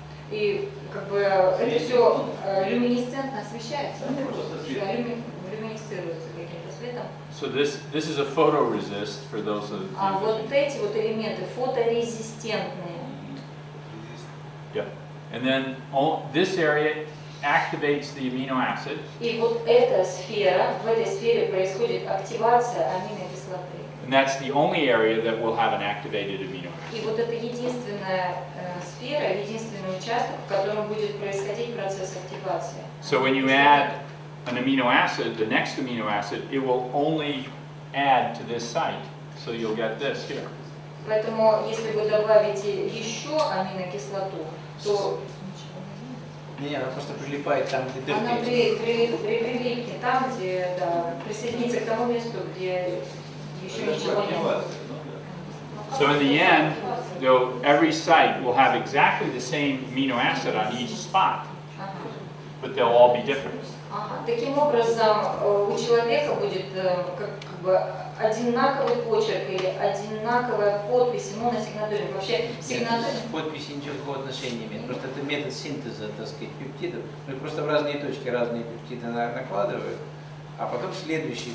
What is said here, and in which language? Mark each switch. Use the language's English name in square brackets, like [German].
[Russian] И как бы это все люминесцентно освещается. Люминесцируется каким-то светом. [English] So this is a photoresist for those of you. [Russian] А вот эти вот элементы фоторезистентные. [English] Yeah. And then this area activates the amino acid. [Russian] И вот эта сфера, в этой сфере происходит активация аминокислоты. [English] And that's the only area that will have an activated amino acid. [Russian] И вот это единственная сфера, единственный участок, в котором будет происходить процесс активации. [English] So when you add an amino acid, the next amino acid, it will only add to this site. So you'll get this here. [Russian] Поэтому если вы добавите еще аминокислоту, то не, она просто прилипает там, где дырки. Она прилипнет там, где, да, присоединится к тому месту, где еще ничего нет. [English] So in the end, though, every site will have exactly the same amino acid on each spot, but they'll all be different. [Russian] Таким образом, у человека будет как бы одинаковый почерк или одинаковая подпись ему на сигнатуре. Вообще сигнатуре. Подпись ничего отношения нет. Просто это метод синтеза, так сказать, пептидов. Мы просто в разные точки разные пептиды накладывают, а потом следующие.